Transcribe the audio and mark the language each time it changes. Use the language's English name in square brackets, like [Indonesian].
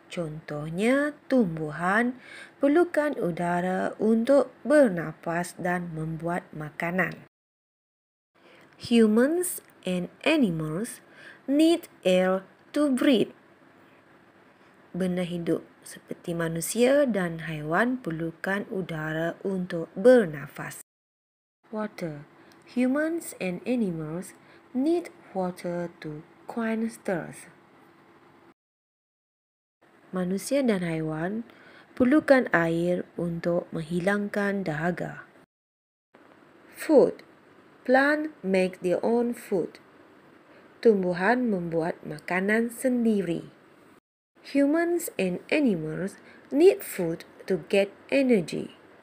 [Malay] Contohnya, tumbuhan perlukan udara untuk bernafas dan membuat makanan. [English] Humans and animals need air to breathe. [Malay] Benda hidup seperti manusia dan haiwan perlukan udara untuk bernafas. [English] Water. Humans and animals need water to quench thirst. [Malay] Manusia dan haiwan perlukan air untuk menghilangkan dahaga. Food. [English] Plant make their own food. [Malay] Tumbuhan membuat makanan sendiri. [English] Humans and animals need food to get energy.